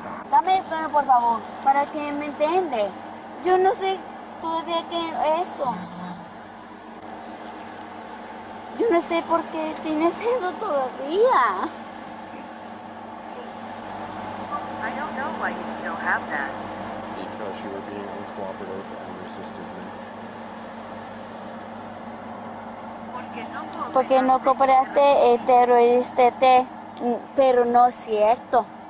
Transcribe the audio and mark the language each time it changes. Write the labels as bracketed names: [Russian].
[Spanish] Dame en español, por favor, para que me entiende. Yo no sé todavía qué es eso. Yo no sé por qué tienes eso todavía. [English] Why you still have that? Because you were being uncooperative and resisted me. [Spanish] Porque no cooperaste y te resististe, pero no es cierto.